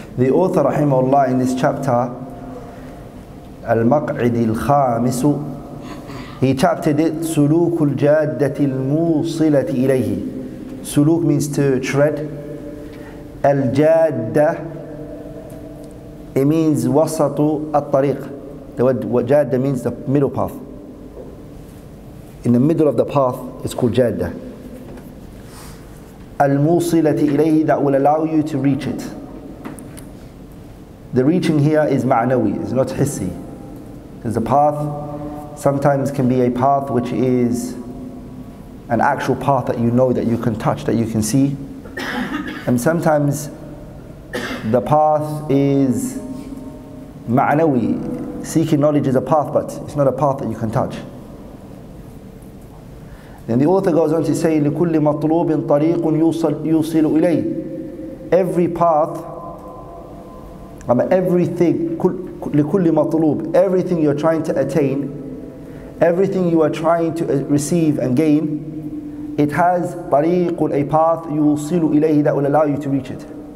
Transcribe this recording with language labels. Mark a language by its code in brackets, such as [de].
[en] The author [ar] رحمه الله [en] in this chapter [ar] المقعد الخامس, [en] he chapted it [ar] سلوك الجادة الموصلة إليه. [en] سلوك means to tread. [ar] الجادة, [en] it means [ar] وسط الطريق. [en] The word جادة means the middle path. In the middle of the path, it's called جادة. [ar] الموصلة إليه, [en] that will allow you to reach it. The reaching here is معنوي, it's not حسي. There's a path, sometimes can be a path which is an actual path that you know, that you can touch, that you can see. And sometimes the path is معنوي. Seeking knowledge is a path, but it's not a path that you can touch. Then the author goes on to say, [ar] لكل مطلوب طريق يوصل إليه. [en] Every path, everything, [ar] لكل مطلوب, [en] everything you're trying to attain, everything you are trying to receive and gain, it has طريق, a path [ar] يوصل إليه, [en] that will allow you to reach it.